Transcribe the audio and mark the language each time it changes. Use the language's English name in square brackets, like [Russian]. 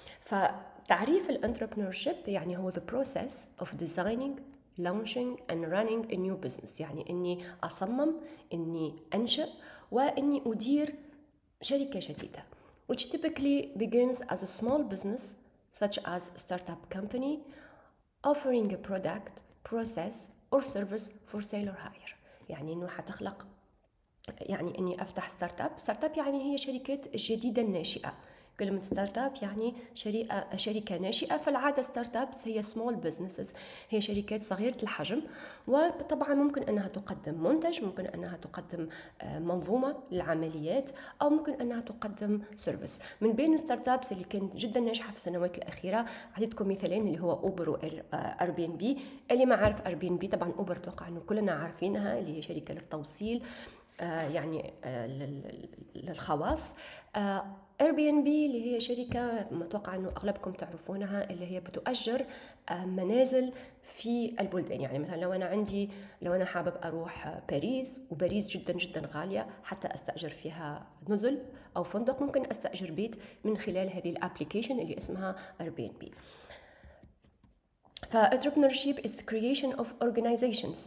[Arabic] فتعريف الانتربرينورشيب يعني هو [English] the process of designing, launching and running a new business، [Arabic] يعني إني أصمم، إني أنشأ، وإني أدير شركة جديدة. [English] which typically begins as a small business such as startup company offering a product, process or service for sale or hire. [Arabic] يعني انه حتخلق، يعني اني افتح startup. startup يعني هي شركة جديدة ناشئة. كلمة startup يعني شركة ناشئة. فالعادة startups هي small businesses، هي شركات صغيرة الحجم، وطبعا ممكن انها تقدم منتج، ممكن انها تقدم منظومة للعمليات، او ممكن انها تقدم service. من بين startups اللي كانت جدا ناجحة في السنوات الاخيرة عطيتكم مثالين، اللي هو اوبر وار بي ان بي. اللي ما عارف ار بي ان بي، طبعا اوبر توقع انه كلنا عارفينها، اللي هي شركة للتوصيل يعني للخواص. Airbnb اللي هي شركة متوقع أنه أغلبكم تعرفونها، اللي هي بتؤجر منازل في البلدان. يعني مثلا لو أنا عندي، لو أنا حابب أروح باريس، وباريس جدا جدا غالية حتى أستأجر فيها نزل أو فندق، ممكن أستأجر بيت من خلال هذه الابليكيشن اللي اسمها Airbnb. [English] فentrepreneurship is the creation of organizations.